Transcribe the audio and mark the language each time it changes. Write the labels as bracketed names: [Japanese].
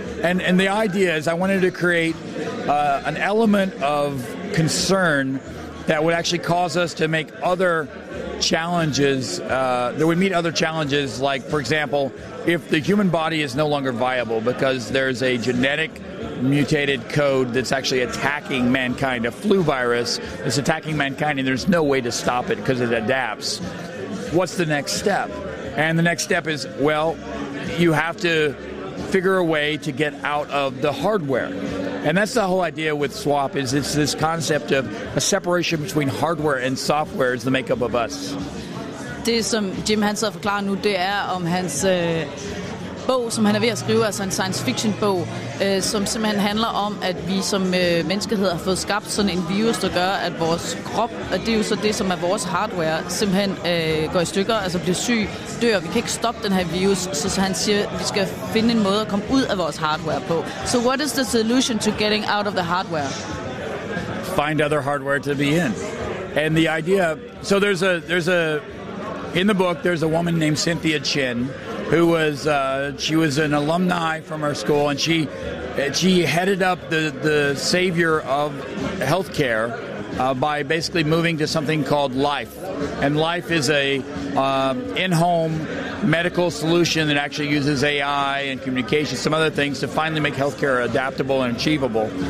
[English] And the idea is I wanted to create an element of concern that would actually cause us to make other challenges, that would meet other challenges, like, for example, if the human body is no longer viable because there's a genetic mutated code that's actually attacking mankind, a flu virus that's attacking mankind, and there's no way to stop it because it adapts, what's the next step? And the next step is, well, you have to figure a way to get out of the hardware. And that's the whole idea with SWAP, is it's this concept of a separation between hardware and software is the makeup of us. [Danish] Det som Jim Hansen har forklaret nu, det er om hans bog, som han er ved at skrive, altså en science fiction bog, som simpelthen handler om, at vi som menneskehed har fået skabt sådan en virus, der gør, at vores krop, og det er jo så det, som er vores hardware, simpelthen går i stykker, altså bliver syg, dør. Vi kan ikke stoppe den her virus, så han siger, vi skal finde en måde at komme ud af vores hardware på. [English] So what is the solution to getting out of the hardware? Find other hardware to be in. And the idea, so there's a in the book, there's a woman named Cynthia Chin, who was she was an alumni from our school, and she headed up the savior of healthcare by basically moving to something called Life, and Life is a in-home medical solution that actually uses AI and communication, some other things, to finally make healthcare adaptable and achievable.